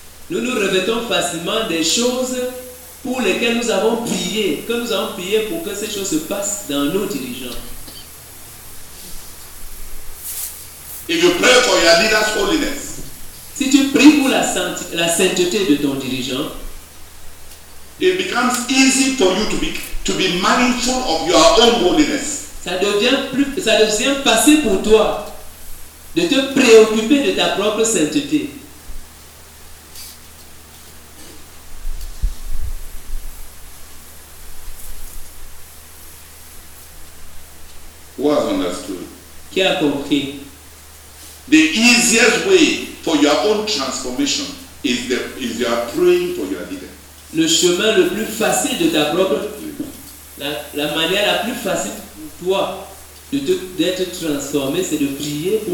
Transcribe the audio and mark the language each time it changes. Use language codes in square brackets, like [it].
[fr] Nous revêtons facilement des choses pour lesquelles nous avons prié, que nous avons prié pour que ces choses se passent dans nos dirigeants. [en] If you pray for your leader's holiness, [fr] si tu pries pour la sainteté de ton dirigeant, [en] it becomes easy for you to be mindful of your own holiness. [fr] Ça devient facile pour toi de te préoccuper de ta propre sainteté. [en] Who has understood? [fr] Qui a compris? [en] The easiest way for your own transformation is the is your praying for your leader. [fr] Le chemin le plus facile de ta propre la manière la plus facile pour toi d'être transformé, c'est de prier pour.